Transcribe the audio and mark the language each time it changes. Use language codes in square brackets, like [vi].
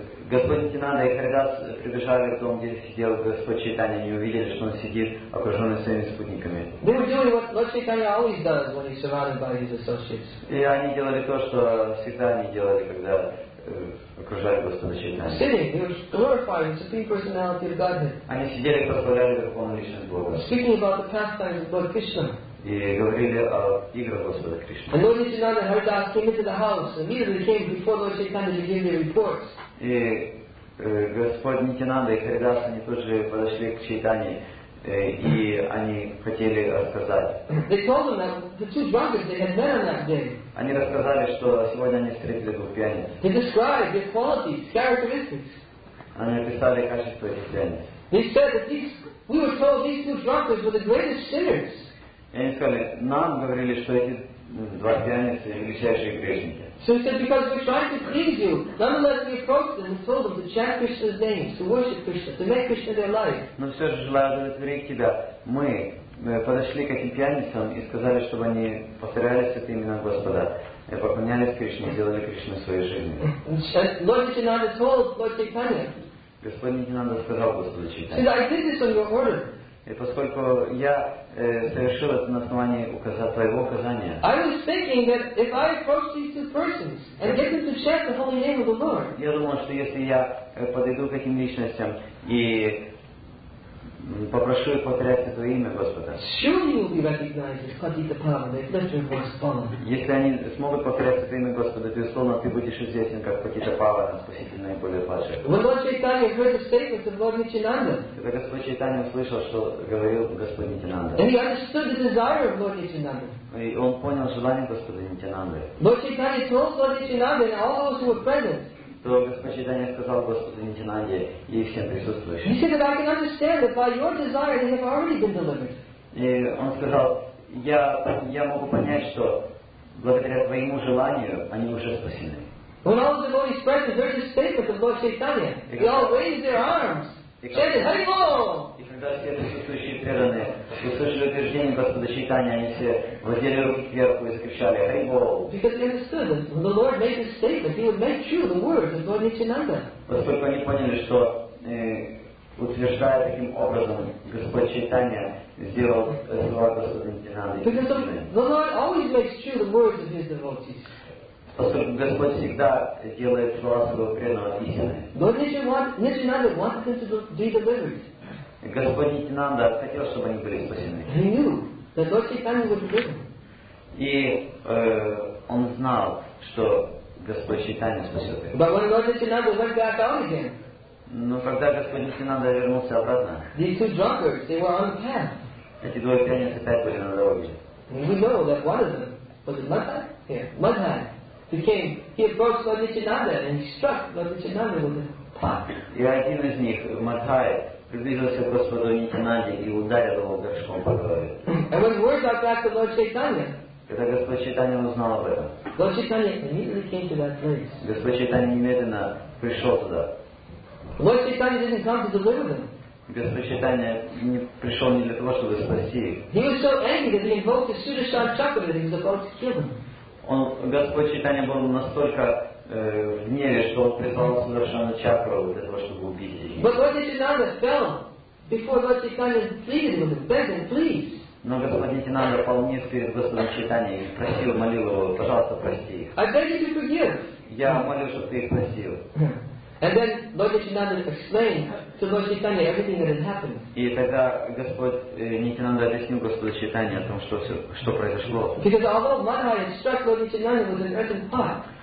[ru] Господь Нитинанда и Харидас прибежали к дому, где сидел Господь Чайтанья, и увидели, что он сидит, окруженный своими спутниками. [en] They were doing what Lord Chaitanya always does when he's surrounded by his associates. [ru] И они делали то, что всегда они делали, когда окружали Господа Чайтанья. [en] Sitting, he was glorifying the Supreme Personality of Godhead. [ru] Они сидели и прославляли Верховную Личность Бога. [en] Speaking about the pastimes of Lord Krishna. [ru] И говорили о играх Господа Кришны. [en] And Lord Nityananda heard that, came into the house, immediately came before Lord Chaitanya to give the reports. [ru] И Господь Нитинанда и Харидаса, они тоже подошли к Чайтанье, и они хотели рассказать. [en] They told him that the two drunkards they had met on that day. [ru] Они рассказали, что сегодня они встретили двух пьяниц. [en] They described their qualities, characteristics. [ru] Они описали качество этих пьяниц. [en] They said that we were told these two drunkards were the greatest sinners. [ru] И они сказали, нам говорили, что эти два пьяницы величайшие грешники. [en] So he said, because we're trying to please you, nonetheless we approached them and told them to chant Krishna's names, to worship Krishna, to make Krishna their life. [ru] Но все же желаю удовлетворить тебя. Мы подошли к этим пьяницам и сказали, чтобы они повторяли святые имена Господа, и поклонялись Кришне, сделали Кришну своей жизнью. [en] Lord Nityananda told Lord Chaitanya. [ru] Господь Нитинанда сказал Господу Чайтанье. [en] Said, I did this on your order. [ru] И поскольку я совершил это на основании твоего указания. [en] I was thinking that if I approach these two persons and get them to chant the holy name of the Lord. [ru] Я думал, что если я подойду к этим личностям и попрошу их повторять твое имя, Господа. [en] Surely you will be recognized as Padita Pavana if let your voice follow. [ru] Если они смогут повторять твое имя, Господа, безусловно, ты будешь известен как Падита Павана, Спаситель наиболее падших. [en] When Lord Chaitanya heard the statements of Lord Nityananda. [ru] Когда Господь Чайтанья услышал, что говорил Господь Нитинанда. [en] And he understood the desire of Lord Nityananda. [ru] И он понял желание Господа Нитинанды. [en] Lord Chaitanya told Lord Nityananda and all those who were present. [ru] То Господь Чайтанья сказал Господу Нитинанде и всем присутствующим. [en] He said, I can understand that by your desire they have already been delivered. [ru] И он сказал, я могу понять, что благодаря твоему желанию они уже спасены. [en] When all the devotees spread the virtuous statement of Lord Chaitanya, they all raised their arms, chanted, Hari Bol! [ru] И когда все присутствующие преданные услышали утверждение Господа Чайтанья, они все воздели руки кверху и закричали «Hari Bol!». [en] Because they understood that when the Lord made this statement, he would make true the words of Lord Nityananda. [ru] Поскольку они поняли, что утверждая таким образом, Господь Чайтанья сделал слова Господа Нитинанды. [en] Because the Lord always makes true the words of his devotees. [ru] Поскольку Господь всегда делает слова своего преданного истинными. [en] Lord Nityananda wanted them to be delivered. [ru] Господь Нитинанда хотел, чтобы они были спасены. [en] He knew that Lord Chaitanya would deliver. [ru] И он знал, что Господь Чайтанья спасет их. [en] But when Lord Nityananda went back out again, [ru] но когда Господь Нитинанда вернулся обратно, [en] these two drunkards, they were on the path. [ru] Эти двое пьяниц опять были на дороге. [en] We know that one of them was a Madhai. Yeah, Madhai. He approached Lord Nityananda and he struck Lord Nityananda with a pot. [ru] И один из них, Мадхай, приблизился к Господу Нитинанде и ударил его горшком по голове. [en] And when word got back to Lord Chaitanya, [ru] когда Господь Чайтанья узнал об этом, [en] Lord Chaitanya immediately came to that place. [ru] Господь Чайтанья немедленно пришел туда. [en] Lord Chaitanya didn't come to deliver them. [ru] Господь Чайтанья не пришел не для того, чтобы спасти их. [en] He was so angry that he invoked the Sudarshan Chakra that he was about to kill them. [ru] Господь Чайтанья был настолько в гневе, что он призвал Сударшану Чакру для того, чтобы убить их. [en] But Lord Nityananda fell before Lord Chaitanya pleaded with him, begged him, please. [ru] Но Господь Нитинанда пал вниз перед Господом Чайтанья и просил, молил его, пожалуйста, прости их. [en] I beg you to forgive. [ru] Я молю, чтобы ты их простил. [en] And then Lord Nityananda explained to Lord Chaitanya everything that had happened. [ru] И тогда Господь Нитинанда объяснил Господу Чайтанье о том, что произошло. [en] Because although Madhai had struck Lord Nityananda with an earthen pot.